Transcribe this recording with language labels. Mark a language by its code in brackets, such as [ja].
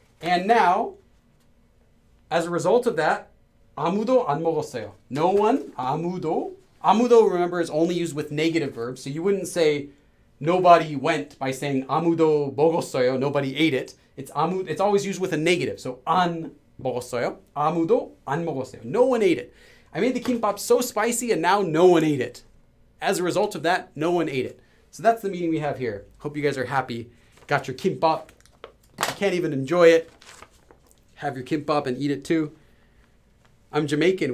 [en] And now, as a result of that, [ko] 아무도 안 먹었어요. [en] No one, 아무도. 아무도, remember, is only used with negative verbs. So you wouldn't say nobody went by saying [ko] 아무도 먹었어요, [en] nobody ate it. It's 아무, it's always used with a negative. [ko] So 안 먹었어요, 아무도 안 먹었어요. [en] No one ate it. I made the kimbap so spicy and now no one ate it. As a result of that, no one ate it. So that's the meaning we have here. Hope you guys are happy. Got your kimbap. You can't even enjoy it. Have your kimbap and eat it too. I'm Jamaican.